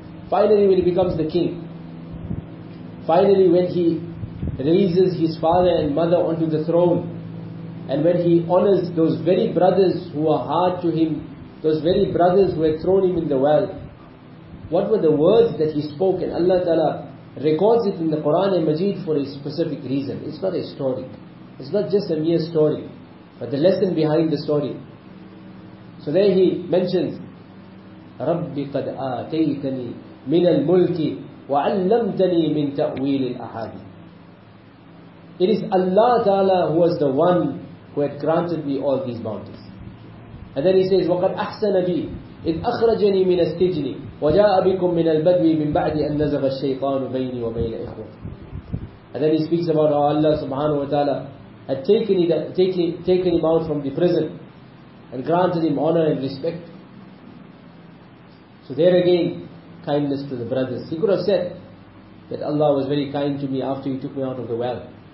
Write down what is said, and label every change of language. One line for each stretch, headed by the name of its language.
English: Finally, when he becomes the king, finally when he raises his father and mother onto the throne, and when he honors those very brothers who are hard to him, those very brothers who had thrown him in the well, what were the words that he spoke? And Allah Ta'ala records it in the Quran and Majid for a specific reason. It's not a story. It's not just a mere story, but the lesson behind the story. So there he mentions,
Arabic: رَبِّ قَدْ آتَيْتَنِي مِنَ الْمُلْكِ وَعَلَّمْتَنِي مِنْ تَأْوِيلِ الْأَحَادِيثِ.
English: It is Allah Ta'ala who was the one who had granted me all these bounties. And then he says,
Arabic: وَقَدْ أَحْسَنَ بِي إِذْ أَخْرَجَنِي مِنَ السِّجْنِ وَجَاءَ بِكُم مِّنَ الْبَدْوِ مِنْ بَعْدِ أَن نَزَغَ الشَّيْطَانُ بَيْنِي وَبَيْنَ إِخْوَتِي.
English: And then he speaks about how Allah Subhanahu wa Ta'ala had taken him out from the prison and granted him honor and respect. So there again, kindness to the brothers. He could have said that Allah was very kind to me after he took me out of the well.